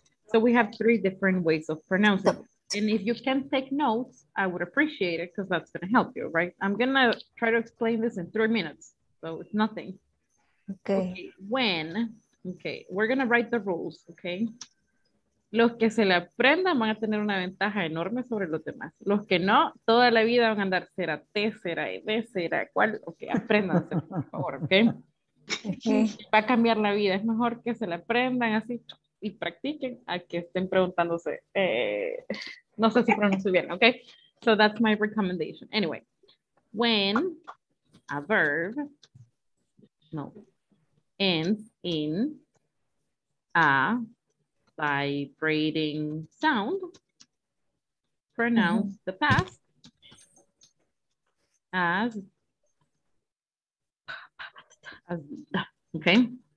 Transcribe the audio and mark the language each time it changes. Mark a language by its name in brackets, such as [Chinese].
[English] So we have three different ways of pronouncing it. And if you can take notes, I would appreciate it because that's gonna help you, right? I'm gonna try to explain this in 3 minutes. So it's nothing. Okay. Okay, we're going to write the rules, okay? [Spanish] Los que se le aprendan van a tener una ventaja enorme sobre los demás. Los que no, toda la vida van a andar, será T, será E, será cual. Ok, apréndanse, por favor, okay? Va a cambiar la vida. Es mejor que se le aprendan así y practiquen a que estén preguntándose. No sé si pronuncio bien, [English] okay? So that's my recommendation. Anyway, when a verb, no, ends in a vibrating sound, pronounce the past as, okay?